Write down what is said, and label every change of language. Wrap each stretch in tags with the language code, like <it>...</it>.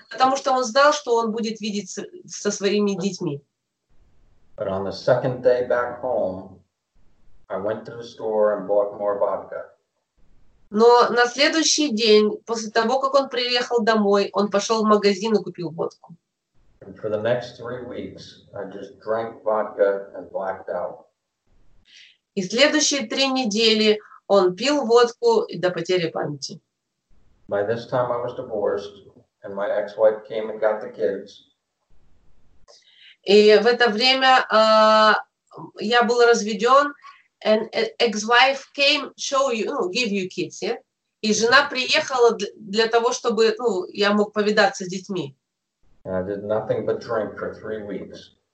<ru>Потому что он знал, что он будет видеть со своими детьми.</ru> <en>But on the second day back home, I went to the store and bought more vodka.</en> <ru>Но на следующий день, после того, как он приехал домой, он пошел в магазин и купил водку.</ru> <en>For the next 3 weeks, I just drank vodka and blacked out.</en> <ru>И следующие 3 недели он пил водку до потери памяти.</ru> <en>By this time I was divorced, and my ex-wife came and got the kids.</en> <ru>И в это время я был разведен,</ru> <en>and ex-wife came show you, ну, give you kids, yeah?</en> <ru>И жена приехала для того, чтобы, ну, я мог повидаться с детьми.</ru> <en>And I did nothing but drink for 3 weeks.</en>